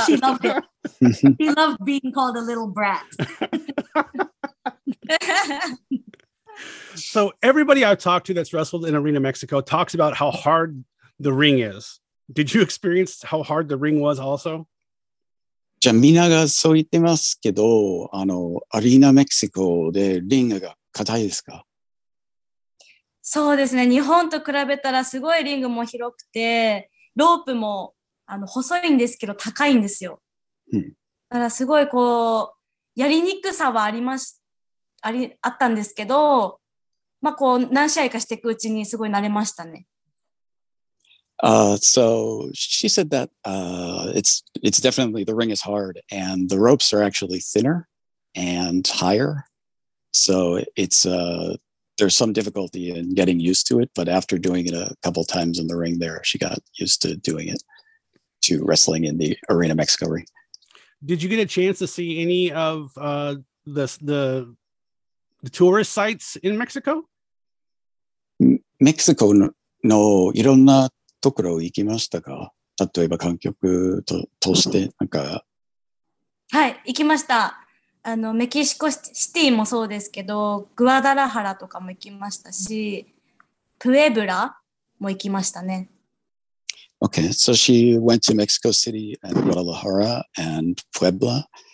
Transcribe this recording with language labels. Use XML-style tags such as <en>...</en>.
<en>She loved it. She loved being called a little brat. So everybody I've talked to that's wrestled in Arena Mexico talks about how hardThe ring is. Did you experience how hard the ring was also?</en> <ja>じゃあみんながそう言ってますけど、あのアリーナメキシコでリングが硬いですか？そうですね、日本と比べたらすごいリングも広くて、ロープもあの細いんですけど高いんですよ、うん、だからすごいこうやりにくさはありましあったんですけど、まあこう何試合かしていくうちにすごい慣れましたね。</ja> <en>So she said that it's definitely the ring is hard and the ropes are actually thinner and higher. So it's there's some difficulty in getting used to it, but after doing it a couple times in the ring there, she got used to doing it to wrestling in the Arena Mexico ring. Did you get a chance to see any of the tourist sites in Mexico?</en> <ja>Mexico のいろんなところ行きましたか？例えば観客と通してなんか。はい、行きました。あのメキシコシティもそうですけど、グアダラハラとかも行きましたし、プエブラも行きましたね。</ja> <en>Okay, so she went to Mexico City and Guadalajara and Puebla.</en>